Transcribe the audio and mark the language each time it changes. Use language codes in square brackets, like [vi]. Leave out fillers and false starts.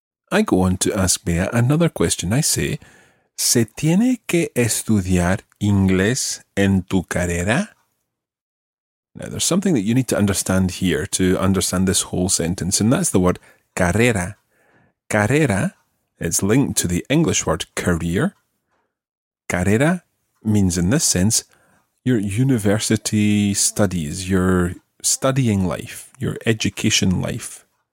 [en] I go on to ask Bea another question. [es] I say, ¿se tiene que estudiar inglés en tu carrera? [en] Now, there's something that you need to understand here to understand this whole sentence, and that's the word carrera. Carrera is linked to the English word career. Carrera means, in this sense, your university studies, your studying life, your education life.